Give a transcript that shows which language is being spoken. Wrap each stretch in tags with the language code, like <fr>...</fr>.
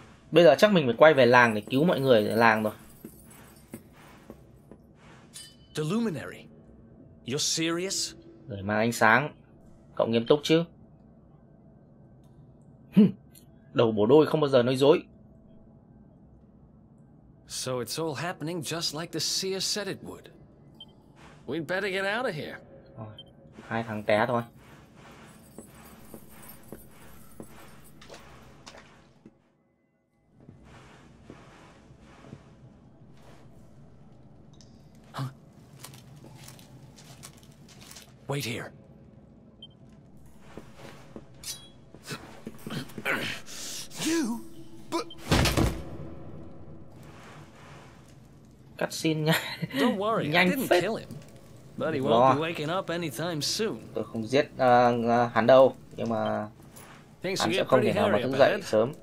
<vi>Bây giờ chắc mình phải quay về làng để cứu mọi người ở làng rồi.</vi> <en>The Luminary. You're serious?</en> <vi>Người mang ánh sáng. Cậu nghiêm túc chứ? Đầu bổ đôi không bao giờ nói dối.</vi> <en>So it's all happening just like the seer said it would. We'd better get out of here.</en> <vi>hai thằng té thôi.</vi> <en>Wait here. You, but. Cut scene nha. Don't worry,</en> <vi>nhanh</vi> <en>I didn't</en> <vi>phết.</vi> <en>Kill him. But he won't be waking up anytime soon.</en> <vi>Tôi không giết hắn đâu, nhưng mà hắn sẽ không thể nào mà thức dậy sớm.</vi>